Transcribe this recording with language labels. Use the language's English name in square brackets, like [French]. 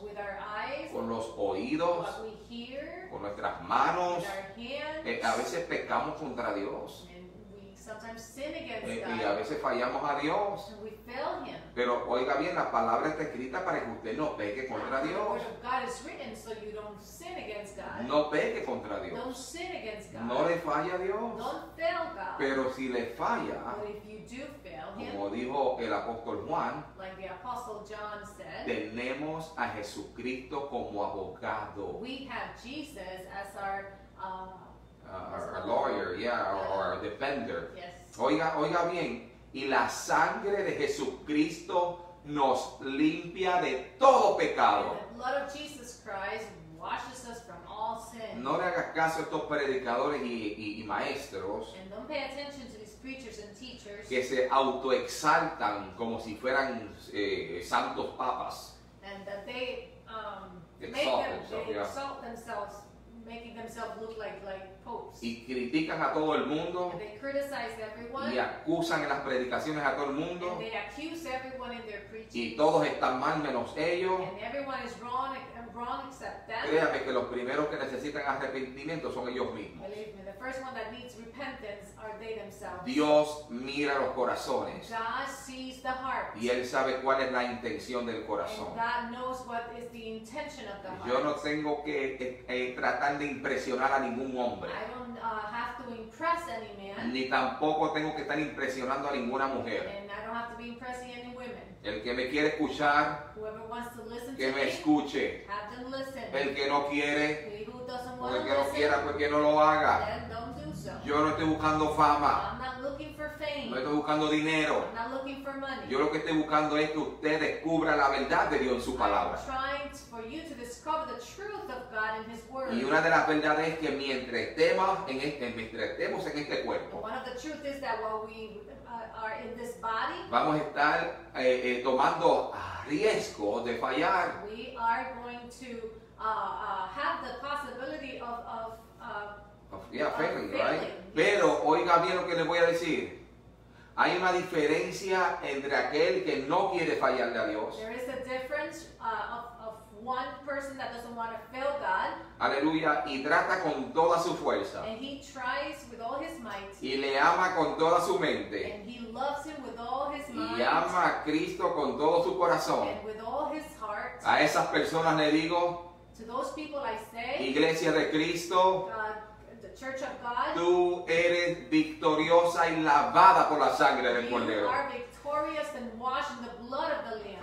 [English] with our eyes, [Spanish] con los oídos, [English] what we hear, [Spanish] con nuestras manos, [English] with our hands, [Spanish] a veces pecamos contra Dios. [English] Sometimes sin against God. [Spanish] Y a veces fallamos a Dios. [English] And we fail him. [Spanish] Pero oiga bien, la palabra está escrita para que usted no peque contra Dios. [English] The word of God is written so you don't sin against God. [Spanish] No peque contra Dios. [English] Don't sin against God. [Spanish] No le falla a Dios. [English] Don't fail God. [Spanish] Pero si le falla, [English] if you do fail him, [Spanish] como dijo el apóstol Juan, [English] like the apostle John said, [Spanish] tenemos a Jesucristo como abogado. [English] We have Jesus as our lawyer, yeah, or our defender. Yes. [Spanish] Oiga bien, y la sangre de Jesucristo nos limpia de todo pecado. [English] And the blood of Jesus Christ washes us from all sin. [Spanish] No le hagas caso a estos predicadores y maestros. [English] And don't pay attention to these preachers and teachers. [Spanish] Que se autoexaltan como si fueran santos papas. [English] And that they exalt themselves. Making themselves look like popes. [Spanish] Y critican a todo el mundo. [English] And they criticize everyone. [Spanish] Y acusan en las predicaciones a todo el mundo. [English] And they accuse everyone in their preachings. [Spanish] Y todos están mal menos ellos. [English] And everyone is wrong except them. [Spanish] Créame que los primeros que necesitan arrepentimiento son ellos mismos. [English] Believe me, the first one that needs repentance are they themselves. [Spanish] Dios mira los corazones. [English] God sees the heart. [Spanish] Y Él sabe cuál es la intención del corazón. [English] And God knows what is the intention of the heart. [Spanish] Yo no tengo que tratar de impresionar a ningún hombre. [English] I don't have to impress any man. [Spanish] Ni tampoco tengo que estar impresionando a ninguna mujer. [English] And I don't have to be impressing any women. [Spanish] El que me quiere escuchar, [English] whoever wants to listen [Spanish] que [English] to [Spanish] me escuche. [English] Have them listen. [Spanish] El que no quiere, o el que [English] listen, [Spanish] no quiera, pues que no lo haga. [English] Then don't do so. [Spanish] Yo no estoy buscando fama. [English] I'm not looking for fame. [Spanish] No estoy buscando dinero. [English] I'm not looking for money. [Spanish] Yo lo que estoy buscando es que usted descubra la verdad de Dios en su palabra. [English] I'm trying for you to discover the truth of God in His word. [Spanish] Y una de las verdades es que mientras estemos en este cuerpo, [English] one of the truth is that while we are in this body, [Spanish] vamos a estar tomando riesgo de fallar. [English] We are going to have the possibility of failing, right? Yes. [Spanish] Pero oiga bien lo que les voy a decir. Hay una diferencia entre aquel que no quiere fallarle a Dios. [English] There is a difference of one person that doesn't want to fail God. [Spanish] Aleluya. Y trata con toda su fuerza. [English] And he tries with all his might. [Spanish] Y le ama con toda su mente. [English] And he loves him with all his mind. [Spanish] Y ama a Cristo con todo su corazón. [English] And with all his heart. [Spanish] A esas personas le digo. [English] To those people I say. [Spanish] Iglesia de Cristo. [English] Church of God, [Spanish] tú eres victoriosa y lavada por la sangre del Cordero. [English] You are victorious. bury us and wash in the blood of the Lamb.